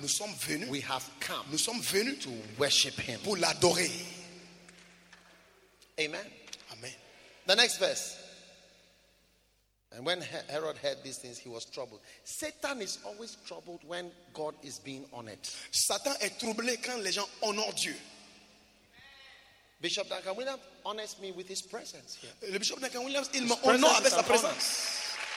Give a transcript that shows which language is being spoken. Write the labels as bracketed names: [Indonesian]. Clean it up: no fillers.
[French] Nous sommes venus. [English] We have come. [French] Nous sommes venus [English] to worship him. [French] Pour l'adorer. [English] Amen. [French] Amen. [English] The next verse. And when Herod heard these things, he was troubled. Satan is always troubled when God is being honored. [French] Satan est troublé quand les gens honorent Dieu. [English] Bishop Duncan Williams honors me with his presence here. [French] Le Bishop Duncan Williams, il me honore avec sa présence.